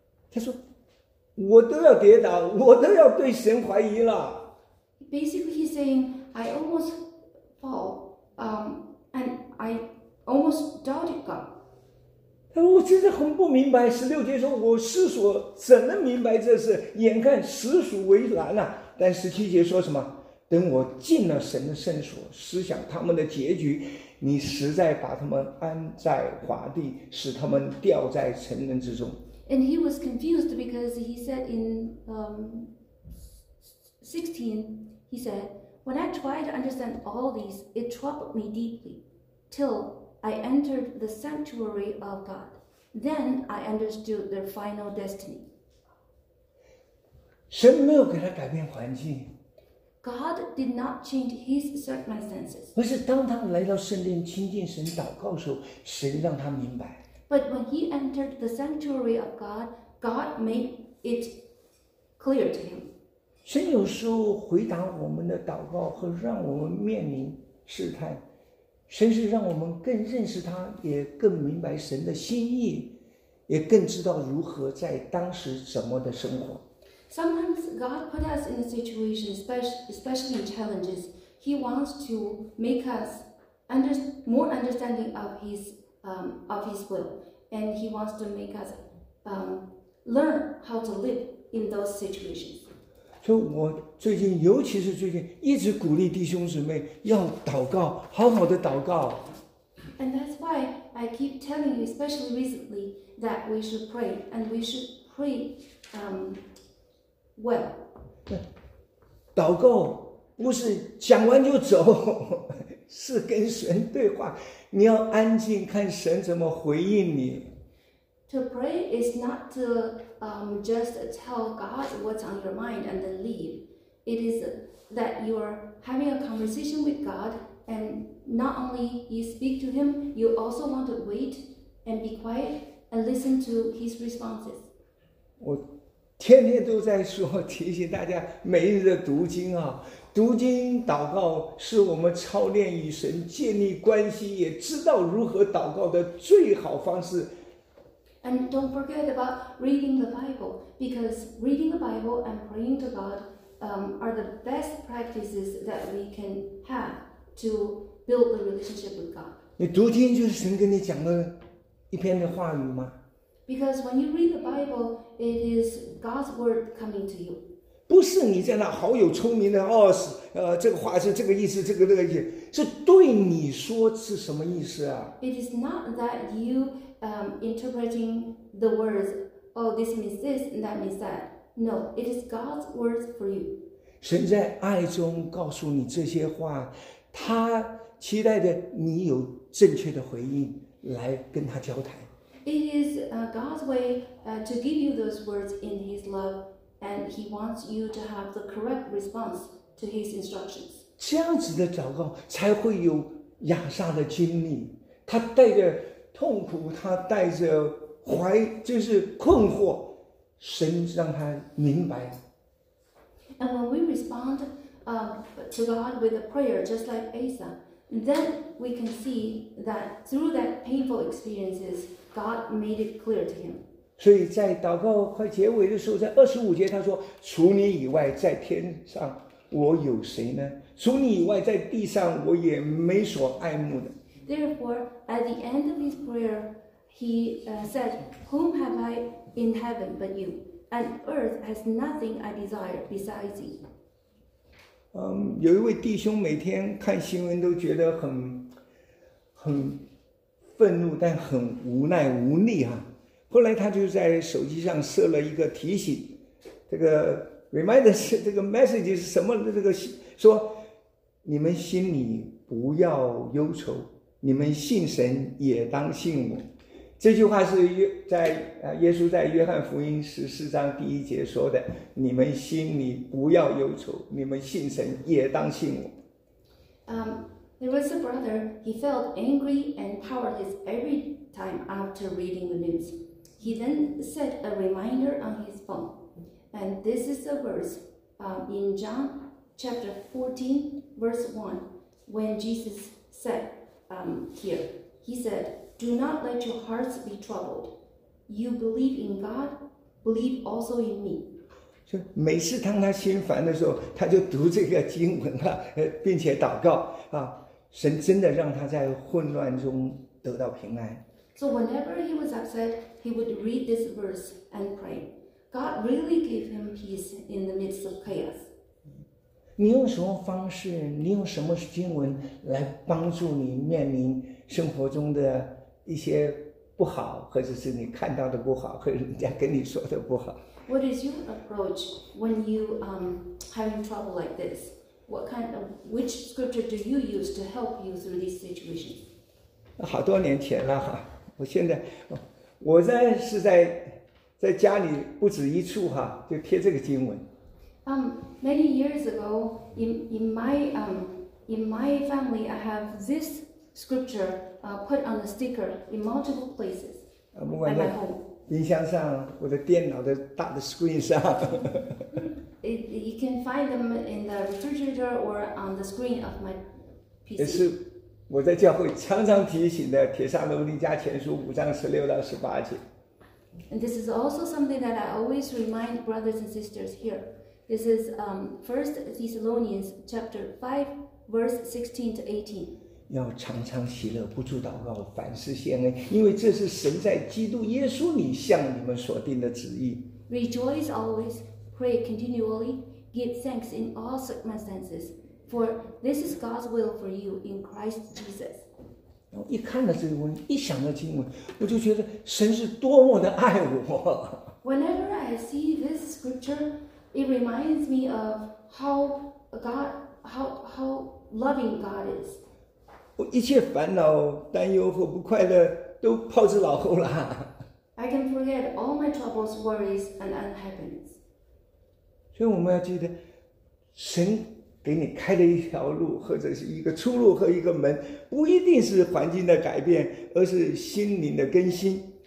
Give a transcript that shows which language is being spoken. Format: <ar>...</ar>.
<zh>他说，我都要跌倒，我都要对神怀疑了。</zh> <en>Basically, he's saying, "I almost fall, and I." Almost doubted God.</en> <zh>他说：“我真的很不明白。” 十六节说：“我思索怎能明白这事？眼看实属为难啊！”但十七节说什么？等我进了神的圣所，思想他们的结局，你实在把他们安在华地，使他们掉在尘人之中。</zh> <en>And he was confused because he said in 16, he said, when I tried to understand all these, it troubled me deeply, till I entered the sanctuary of God. Then I understood their final destiny.</en> <zh>神没有给他改变环境。</zh> <en>God did not change his circumstances.</en> <zh>而是当他来到圣殿亲近神祷告的时候，神让他明白。</zh> <en>But when he entered the sanctuary of God, God made it clear to him.</en> <zh>神有时候回答我们的祷告和让我们面临试探，神是让我们更认识他，也更明白神的心意，也更知道如何在当时怎么的生活。</zh> <en>Sometimes God put us in a situation, especially in challenges. He wants to make us more understanding of his will, and he wants to make us learn how to live in those situations.</en> <zh>所以我最近，尤其是最近，一直鼓励弟兄姊妹要祷告，好好的祷告。</zh> <en>And that's why I keep telling you, especially recently, that we should pray, and we should pray well.</en> <zh>祷告不是讲完就走，是跟神对话。你要安静看神怎么回应你。</zh> <en>To pray is not to just tell God what's on your mind and then leave. It is that you are having a conversation with God, and not only you speak to Him, you also want to wait and be quiet and listen to His responses.</en> <zh>我天天都在说，提醒大家每日的读经啊。读经祷告是我们操练与神建立关系，也知道如何祷告的最好方式。</zh> <en>And don't forget about reading the Bible, because reading the Bible and praying to God are the best practices that we can have to build the relationship with God.</en> <zh>你读经就是神跟你讲的一篇的话语吗？</zh> <en>Because when you read the Bible, it is God's word coming to you.</en> <zh>不是你在那好有聪明的哦，这个话是这个意思，这个那个意思，是对你说是什么意思啊</zh> <en>？It is not that you interpreting the words. Oh, this means this, and that means that. No, it is God's words for you.</en> <zh>神在爱中告诉你这些话，他期待着你有正确的回应来跟他交谈。</zh> <en>It is God's way to give you those words in His love. And he wants you to have the correct response to his instructions.</en> <zh>这样子的祷告才会有亚撒的经历。他带着痛苦，他带着怀，就是困惑，神让他明白。</zh> <en>And when we respond to God with a prayer, just like Asa, then we can see that through that painful experiences, God made it clear to him.</en> <zh>所以在祷告快结尾的时候，在二十五节他说：“除你以外，在天上我有谁呢？除你以外，在地上我也没所爱慕的。”</zh> <en>Therefore, at the end of his prayer, he said, "Whom have I in heaven but you? And earth has nothing I desire besides you."</en> <zh>有一位弟兄每天看新闻都觉得很愤怒，但很无奈无力啊。后来他就在手机上设了一个提醒，这个 reminder 是这个 message 是什么？这个说你们心里不要忧愁，你们信神也当信我。这句话是在耶稣在约翰福音十四章第一节说的：“你们心里不要忧愁，你们信神也当信我。”</zh> <en>There was a brother. He felt angry and powerless every time after reading the news. He then set a reminder on his phone, and this is the verse in John chapter 14, verse 1, when Jesus said here, he said, Do not let your hearts be troubled. You believe in God, believe also in me.</en> <zh>就每次当他心烦的时候，他就读这个经文啊，并且祷告啊，神真的让他在混乱中得到平安。</zh> <en>So whenever he was upset, he would read this verse and pray. God really gave him peace in the midst of chaos.</en> <zh>你用什么方式，你用什么经文来帮助你面临生活中的一些不好，或者是你看到的不好，或者人家跟你说的不好。</zh> <en>What is your approach when you having trouble like this? What kind of which scripture do you use to help you through these situations?</en> <zh>好多年前了哈，我现在我呢是在家里不止一处哈，就贴这个经文。</zh> <en>Many years ago, in my family, I have this scripture put on a sticker in multiple places at my home.</en> <zh>冰箱上，我的电脑的大的 screen 上。</zh> <en>You can find them in the refrigerator or on the screen of my PC.</en> <zh>也是我在教会常常提醒的，《帖撒罗尼迦前书》5:16-18.</zh> <en>And this is also something that I always remind brothers and sisters here. This is 1 Thessalonians chapter 5, verse 16-18.</en> <zh>要常常喜乐，不住祷告，凡事献恩，因为这是神在基督耶稣里向你们所定的旨意。</zh> <en>Rejoice always, pray continually, give thanks in all circumstances, for this is God's will for you in Christ Jesus.</en> <zh>我一看到这个文，一想到经文，我就觉得神是多么的爱我。</zh> <en>Whenever I see this scripture,It reminds me of how loving God is.</en> <zh>我一切烦恼、担忧和不快乐都抛之脑后了。</zh> <en>I can forget all my troubles, worries, and unhappiness.</en> <zh>所以我们要记得，神给你开了一条路，或者是一个出路和一个门，不一定是环境的改变，而是心灵的更新。</zh>